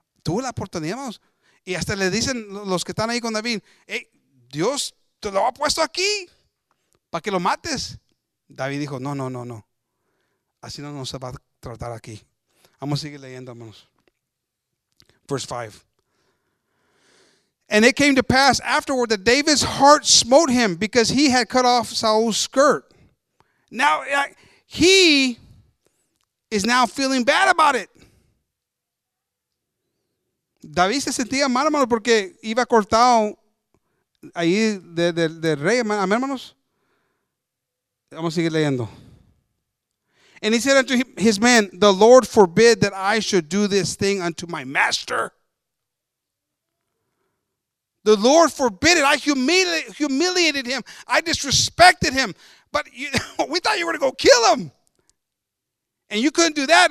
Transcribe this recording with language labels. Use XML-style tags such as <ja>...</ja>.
<es>Tuvo la oportunidad, hermanos. Y hasta le dicen los que están ahí con David, hey, Dios te lo ha puesto aquí para que lo mates. David dijo, no, no, no, no. Así no nos se va a tratar aquí. Vamos a seguir leyendo, hermanos.</es> <en>Verse 5. And it came to pass afterward that David's heart smote him because he had cut off Saul's skirt. Now, he is now feeling bad about it.</en> <es>David se sentía mal, hermano, porque iba cortado ahí de rey, hermanos. Vamos a seguir leyendo.</es> <en>And he said unto his men, the Lord forbid that I should do this thing unto my master. The Lord forbid it. I humiliated him. I disrespected him. But we thought you were going to go kill him. And you couldn't do that.</en>